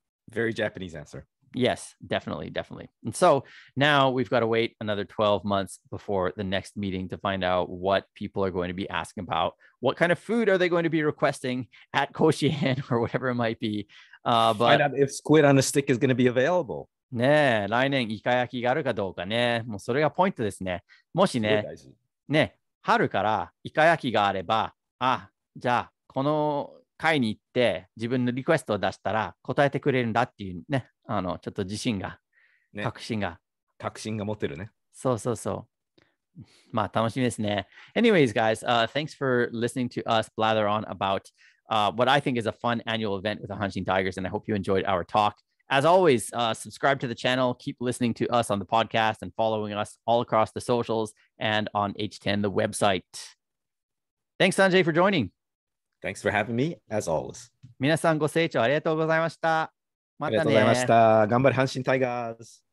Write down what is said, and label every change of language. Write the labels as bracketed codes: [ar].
[en] Very Japanese answer. Yes, definitely, definitely. And so now we've got to wait another 12 months before the next meeting to find out what people are going to be asking about. What kind of food are they going to be requesting at Koshien or whatever it might be? But find out if squid on a stick is going to be available. [ja] ね、来年イカ焼きがあるかどうかね。もうそれがポイントですね。もしね、ね、春からイカ焼きがあれば、あ、じゃあこの会に行って自分のリクエストを出したら答えてくれるんだっていうね、あのちょっと自信が、ね、確信が持てるね。そうそうそう。まあ楽しみですね。 [en] Anyways, guys, thanks for listening to us blather on about what I think is a fun annual event with the Hanshin Tigers, and I hope you enjoyed our talk. As always, subscribe to the channel, keep listening to us on the podcast, and following us all across the socials and on H10 the website. Thanks, Sanjay, for joining. Thanks for having me, as always. [ja] 皆さんご清聴ありがとうございました。またね。ありがとうございました。頑張れ、阪神タイガース。